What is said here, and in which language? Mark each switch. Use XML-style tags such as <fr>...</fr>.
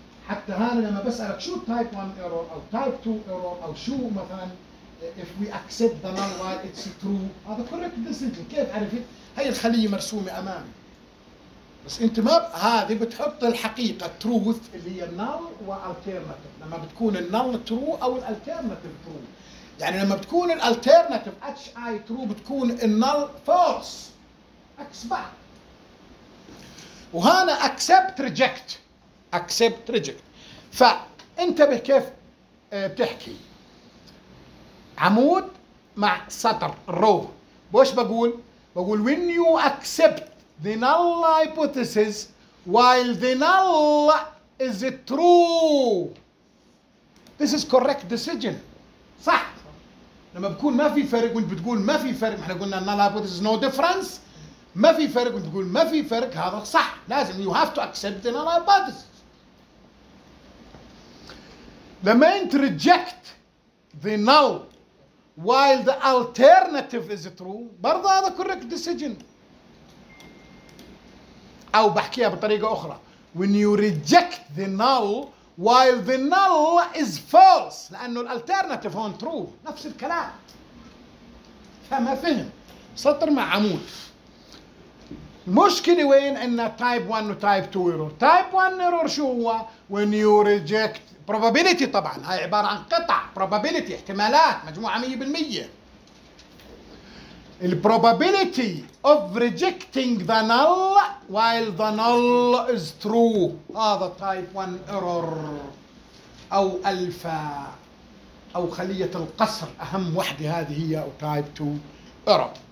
<ar>حتى هذا لما بسالك شو تايب 1 ايرور او تايب 2 ايرور او شو مثلا</ar> <en>if we accept the null while it's true،</en> <ar>هذا</ar> <en>correct decision،</en> <ar>كيف عرفت؟ هي الخلية مرسومة أمامي، بس انت ما هذه بتحط الحقيقة truth اللي هي null والalternative، لما بتكون null true أو الalternative true، يعني لما بتكون الalternative hi true بتكون null false عكس بعض. وهنا</ar> <en>accept reject، accept reject.</en> <ar>فانتبه كيف بتحكي عمود مع سطر رو. بوش بقول؟ بقول</ar> <en>when you accept the null hypothesis while the null is true this is correct decision.</en> <ar>صح، لما بكون ما في فرق وانت بتقول ما في فرق، احنا قلنا null hypothesis</ar> <en>no difference،</en> <ar>ما في فرق وانت بتقول ما في فرق، هذا صح، لازم</ar> <en>you have to accept the null hypothesis.</en> <ar>لما انت</ar> <en>reject the null while the alternative is true</en> <ar>برضه هذا</ar> <en>correct decision.</en> <ar>او بحكيها بطريقه اخرى</ar> <en>when you reject the null while the null is false،</en> <ar>لانه الالترناتيف هون</ar> <en>true،</en> <ar>نفس الكلام. فما فهم سطر مع عمود. المشكله وين؟ ان تايب 1 وتايب 2 error. تايب 1 error شو هو؟</ar> <en>when you reject probability،</en> <ar>طبعا هاي عبارة عن قطع probability احتمالات مجموعة 100%.</ar> <en>ال probability of rejecting the null while the null is true هذا type 1 error</en> <ar>او الفا او خلية القصر، اهم وحدة هذه هي او</ar> <en>type 2 error.</en>